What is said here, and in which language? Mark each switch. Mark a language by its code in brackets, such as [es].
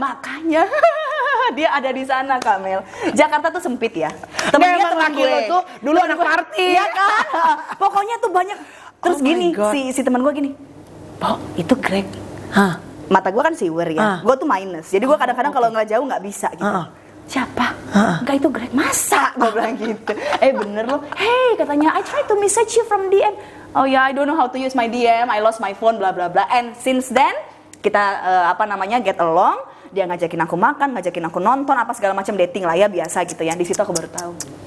[id] Makanya. Dia ada di sana Kak Mel. Jakarta tuh sempit ya. Temennya emang temen laki lo tuh dulu anak party. Iya kan? Pokoknya tuh banyak. Terus si teman gue gini. Pok, itu Greg. Mata gue kan siwer ya. Gue tuh minus. Jadi gue kadang-kadang kalau enggak jauh enggak bisa gitu. Siapa? Enggak itu Greg. Masa gue bilang gitu. Bener lo. [en] Hey, [id] katanya [en] I try to message you from DM. Oh ya, yeah, I don't know how to use my DM. I lost my phone bla bla bla. And since then kita get along. [id] Dia ngajakin aku makan, ngajakin aku nonton, apa segala macam dating lah ya biasa gitu ya. Di situ aku baru tahu.